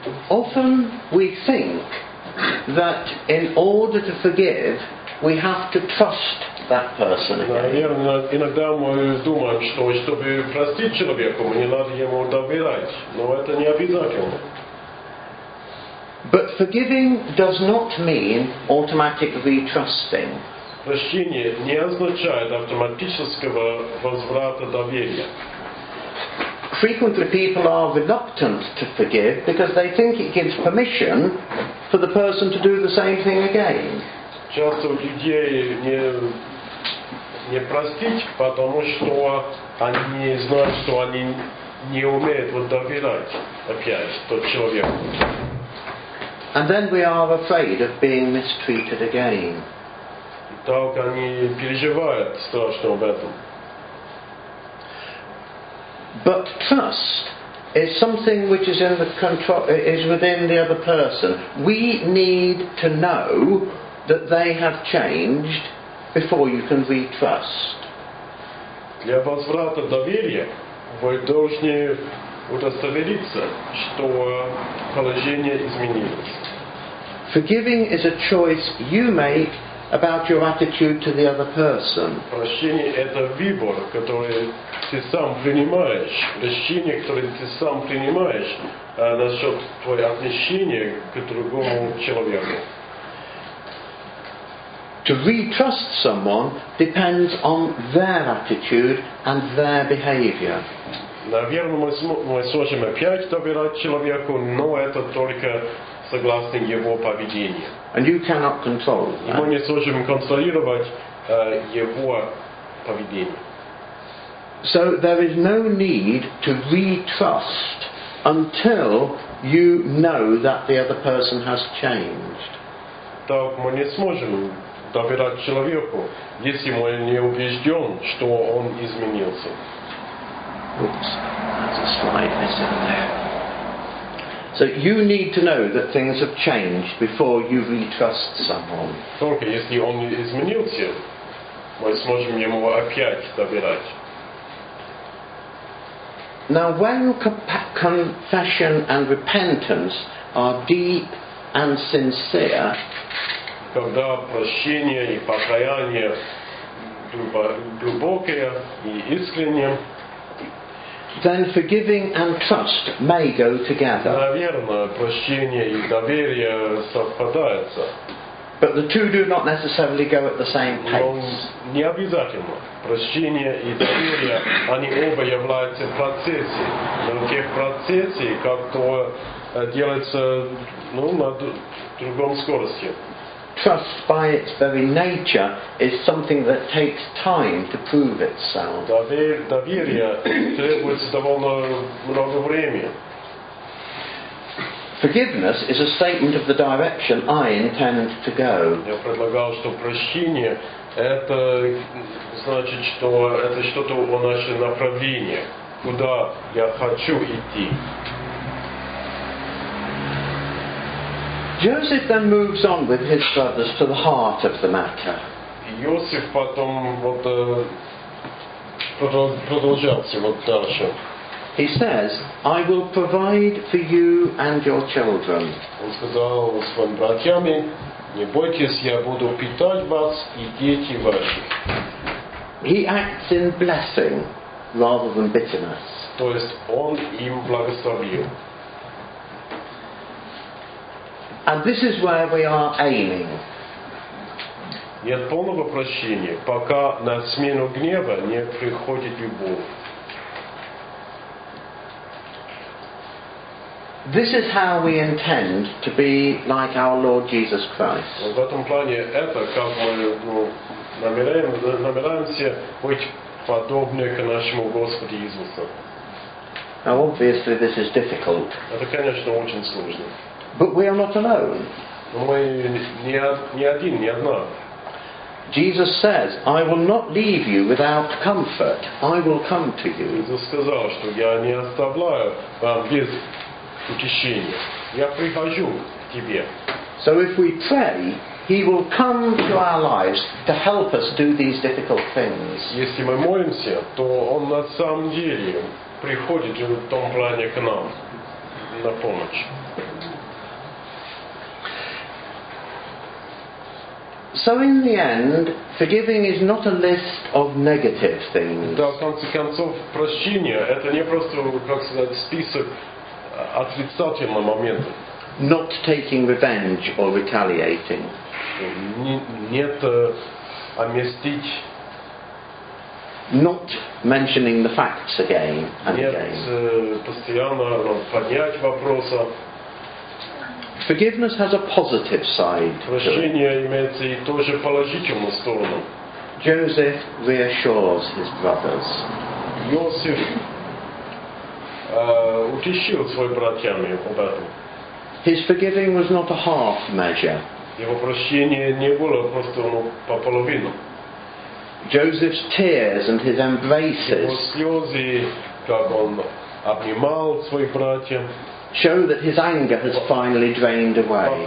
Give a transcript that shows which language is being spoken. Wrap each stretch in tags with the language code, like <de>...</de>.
<en>Often we think that in order to forgive, we have to trust that person again.</en> <ru>Иногда мы думаем, что чтобы простить человека, мне надо ему доверять, но это не обязательно.</ru> <en>But forgiving does not mean automatic retrusting.</en> <ru>Прощение не означает автоматического возврата доверия.</ru> <en>Frequently people are reluctant to forgive because they think it gives permission for the person to do the same thing again.</en> <ru>Часто людей не простить, потому что они знают, что они не умеют доверять опять тот человек.</ru> <en>And then we are afraid of being mistreated again.</en> <ru>Так они переживают страшно об этом.</ru> <en>But trust is something which is in the control, is within the other person. We need to know that they have changed before you can retrust.</en> <ru>Для возврата доверия вы должны удостовериться, что положение изменилось.</ru> <en>Forgiving is a choice you make about your attitude to the other person.</en> <ru>Прощение – это выбор, который ты сам принимаешь. Прощение, которое ты сам принимаешь насчет твоего отношения к другому человеку.</ru> <en>To re-trust someone depends on their attitude and their behavior.</en> <ru>На верно мы сможем опять доверять человеку, но это только согласно его поведению.</ru> <en>And you cannot control.</en> <ru>Мы не сможем контролировать его поведение.</ru> <en>So there is no need to re-trust until you know that the other person has changed.</en> <ru>Так мы не сможем доверять человеку, если мы не убежден, что он изменился.</ru> <en>Oops, that's a slide missing there. So you need to know that things have changed before you retrust someone.</en> <ru>Только если он изменился, мы сможем ему опять доверять.</ru> <en>Now, when confession and repentance are deep and sincere,</en> <ru>когда прощение и покаяние глубокое и искреннее,</ru> <en>then forgiving and trust may go together.</en> <ru>Наверное, прощение и доверие совпадаются.</ru> <en>But the two do not necessarily go at the same pace.</en> <ru>Но не обязательно. Прощение и доверие, они оба являются процессами. Но те процессы, как то делается, ну, на другом скорости.</ru> <en>Trust by its very nature is something that takes time to prove itself.</en> <ru>Доверие требуется довольно много времени.</ru> <en>Forgiveness is a statement of the direction I intend to go.</en> <ru>Я предлагал, что прощение это значит, что это что-то о нашем направлении, куда я хочу идти.</ru> <en>Joseph then moves on with his brothers to the heart of the matter.</en> <ru>Иосиф потом вот продолжался вот дальше.</ru> <en>He says, "I will provide for you and your children."</en> <ru>Он сказал своим братьям: "Не бойтесь, я буду питать вас и дети ваши."</ru> <en>He acts in blessing rather than bitterness.</en> <ru>То есть он им благословил.</ru> <en>And this is where we are aiming.</en> <ru>Нет полного прощения, пока на смену гнева не приходит любовь.</ru> <en>This is how we intend to be like our Lord Jesus Christ.</en> <ru>В этом плане это как мы намеряемся быть подобны к нашему Господу Иисусу.</ru> <en>Now obviously this is difficult.</en> <ru>Это, конечно, очень сложно.</ru> <en>But we are not alone.</en> <ru>Мы не один, не одна.</ru> <en>Jesus says, "I will not leave you without comfort. I will come to you."</en> <ru>Иисус сказал, что я не оставляю вам без утешения. Я прихожу к тебе.</ru> <en>So if we pray, He will come to our lives to help us do these difficult things.</en> <ru>Если мы молимся, то Он на самом деле приходит в том плане к нам на помощь.</ru> <en>So in the end, forgiving is not a list of negative things.</en> <ru>Да, в конце концов, прощение – это не просто, как сказать, список отрицательных моментов.</ru> <en>Not taking revenge or retaliating.</en> <ru>Нет, отомстить.</ru> <en>Not mentioning the facts again and</en> <ru>нет,</ru> <en>again.</en> <ru>Нет, постоянно поднять вопроса.</ru> <en>Forgiveness has a positive side.</en> <ru>Прощение имеется и тоже положительную сторону.</ru> <en>Joseph reassures his brothers.</en> <ru>Иосиф утешил свои братьями об этом.</ru> <en>His forgiving was not a half measure.</en> <ru>Его прощение не было просто по половину.</ru> <en>Joseph's tears and his embraces.</en> <ru>Его слезы, как он обнимал своих братьев.</ru> <en>Show that his anger has finally drained away.</en>